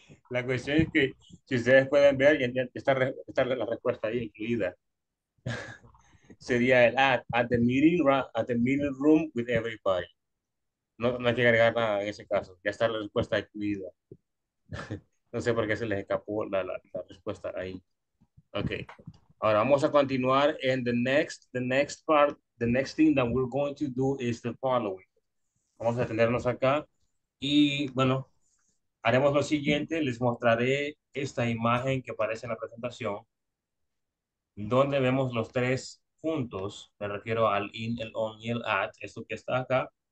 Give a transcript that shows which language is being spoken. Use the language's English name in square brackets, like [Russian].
[Spanish] La cuestión es que si ustedes pueden ver, está la respuesta ahí incluida. Sería el [English] at the meeting room with everybody. [Spanish] No hay que agregar nada en ese caso. Ya está la respuesta incluida. No sé por qué se les escapó la respuesta ahí. [English] Okay. [Spanish] Ahora vamos a continuar en [English] the next thing that we're going to do is the following. [Spanish] Vamos a detenernos acá y bueno, haremos lo siguiente, les mostraré esta imagen que aparece en la presentación donde vemos los tres puntos, me refiero al in, el on y el at, esto que está acá.